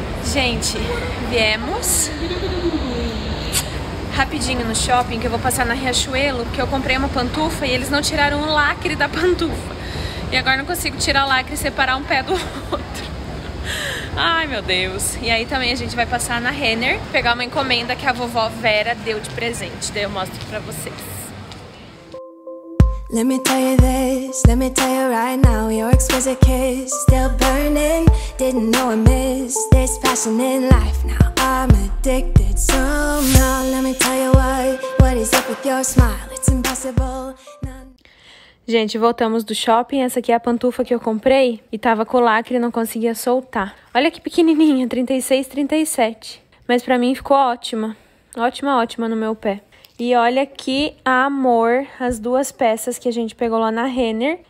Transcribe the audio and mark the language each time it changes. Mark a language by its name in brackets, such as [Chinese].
[Portuguese] Gente, viemos rapidinho no shopping, que eu vou passar na Riachuelo, porque eu comprei uma pantufa e eles não tiraram o lacre da pantufa. E agora não consigo tirar o lacre e separar um pé do outro. Ai, meu Deus. E aí também a gente vai passar na Renner, pegar uma encomenda que a vovó Vera deu de presente. Daí eu mostro pra vocês. [English] Let me tell you this, let me tell you right now. Your exquisite kiss still burning. Didn't know I missed this passion in life. Now I'm addicted somehow. Let me tell you why. What is up with your smile? It's impossible. [Portuguese] Gente, voltamos do shopping. Essa aqui é a pantufa que eu comprei e tava com lacre e não conseguia soltar. Olha que pequenininha, 36, 37. Mas pra mim ficou ótima. Ótima, ótima no meu pé. E olha que amor as duas peças que a gente pegou lá na Renner.